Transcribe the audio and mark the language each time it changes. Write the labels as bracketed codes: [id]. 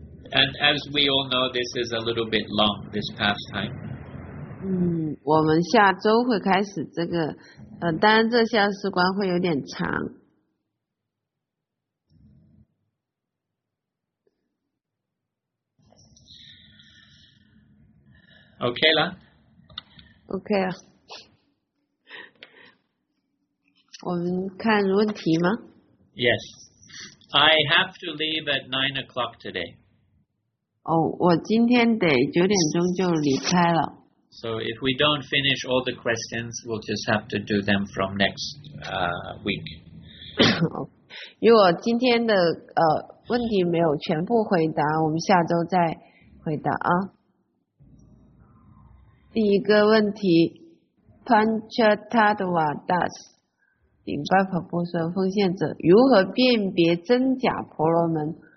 [en] And as we all know, this is a little bit long, this pastime. [zh] 我们下周会开始这个，当然这下时光会有点长。 [en] Okay, la. Okay. [zh] 我们看问题吗？ [en] Yes. I have to leave at 9 o'clock today. [zh] 我今天得九点钟就离开了。 [en] So if we don't finish all the questions, we'll just have to do them from next week. [zh] 如果今天的问题没有全部回答，我们下周再回答啊。第一个问题 ,Panchatattva Das. 顶拜佛菩萨奉献者如何辨别真假婆罗门？